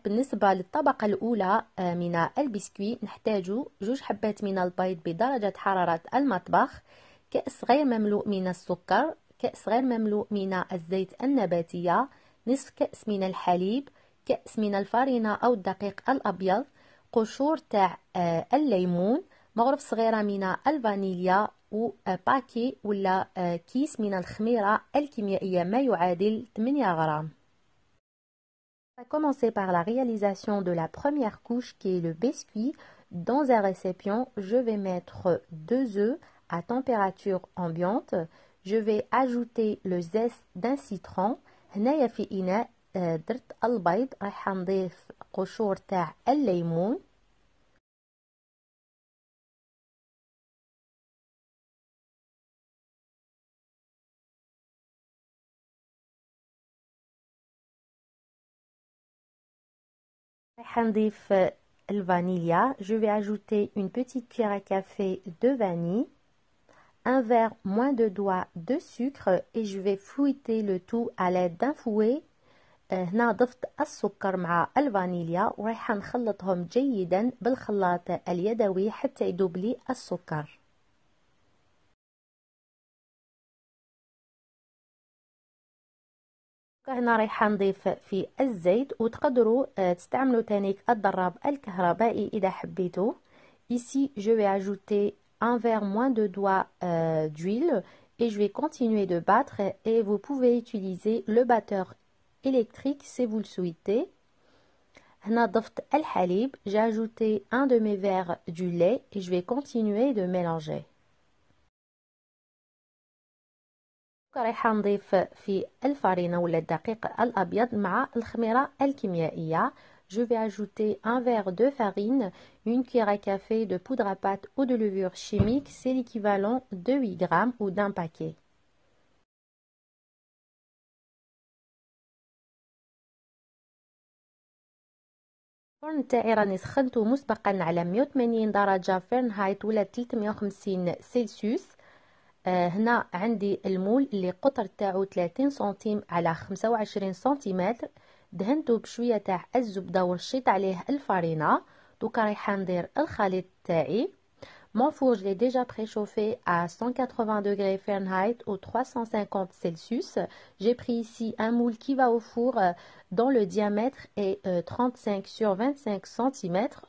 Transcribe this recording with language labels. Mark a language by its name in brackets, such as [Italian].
[Arabic] بالنسبة للطبقة الأولى من البسكوي، نحتاج 2 حبات من البيض بدرجة حرارة المطبخ، كأس غير مملوء من السكر، كأس غير مملوء من الزيت النباتية، نصف كأس من الحليب، كأس من الفارينة أو الدقيق الأبيض، قشور تاع الليمون، مغرف صغيرة من الفانيليا، وباكي ولا كيس من الخميرة الكيميائية ما يعادل 8 غرام. [French] On va commencer par la réalisation de la première couche qui est le biscuit. Dans un récipient, je vais mettre 2 œufs à température ambiante. Je vais ajouter le zeste d'un citron. [Arabic] هنايا في إناء درت البيض، راح نضيف قشور تاع الليمون. حنضيف الفانيليا. [French] Je vais ajouter une petite cuillère à café de vanille, un verre moins de doigt de sucre et je vais fouetter le tout à l'aide d'un fouet. [Arabic] هنا ضفت السكر مع الفانيليا وراح نخلطهم جيدا بالخلاط اليدوي حتى يذوب لي السكر. هنا رايح نضيف في الزيت وتقدروا تستعملوا تانيك الضراب الكهربائي اذا حبيتوا. [French] Ici je vais ajouter un verre moins de doigt d'huile et je vais continuer de battre et vous pouvez utiliser le batteur électrique si vous le souhaitez. [Arabic] هنا ضفت الحليب. [French] J'ai ajouté un demi verre du lait et je vais continuer de mélanger. [Arabic] رايح نضيف في الفارينة ولا الدقيق الأبيض مع الخميرة الكيميائية. [French] Je vais ajouter un verre de farine, une cuillère à café de poudre à pâte ou de levure chimique, c'est l'équivalent de 8 grammes ou d'un paquet. [Arabic] الفرن تاعي راني سخنته مسبقا على 180 درجة فهرنهايت ولا 350 سلسيوس. هنا عندي المول اللي قطر تاعو 30 سنتيم على 25 سنتيمتر، دهنتو بشوية تاع الزبدة ورشيت عليه الفارينة. دوكا رايح ندير الخليط تاعي. [French] Mon four je l'ai déjà préchauffé à 180 degrés Fahrenheit ou 350 Celsius. J'ai pris ici un moule qui va au four dont le diamètre est 30 sur 25 cm.